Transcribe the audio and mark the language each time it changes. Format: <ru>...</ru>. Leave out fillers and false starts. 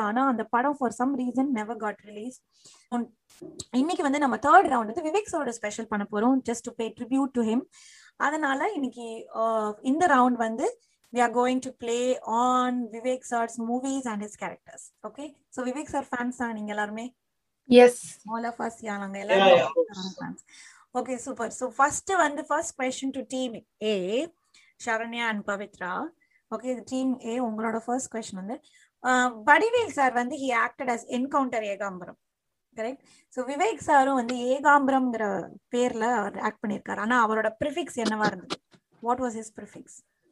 <ta>ஆனா அந்த படம்</ta> <en>For some reason never got release.</en> <ta>இன்னைக்கு வந்து நம்ம தேர்ட் ரவுண்ட் வந்து விவேக் சாரோட ஸ்பெஷல் பண்ண போறோம்</ta> <en>Just to pay tribute to him.</en> <ta>அதனால இன்னைக்கு இந்த ரவுண்ட் வந்து</ta> <en>we are going to play on Vivek sir's movies and his characters.</en> <ta>Okay, so Vivek sir fans தான் நீங்க எல்லாருமே?</ta> <en>Yes. All of us, yeah, langa, yeah. Okay, super. So first, first question to team A, Sharanya and Pavitra. Okay, team A,</en> <ta>உங்களோட</ta> <en>first question</en> <ta>வந்து Vadivel sir வந்து</ta> <en>he acted as encounter Ekambaram, correct?</en> <ta>So Vivek சாரும் வந்து ஏகாம்பரம்ங்கிற பேர்ல அவர் act பண்ணியிருக்காரு. ஆனா அவரோட prefix என்னவா இருந்தது?</ta> <en>What was his prefix?</en>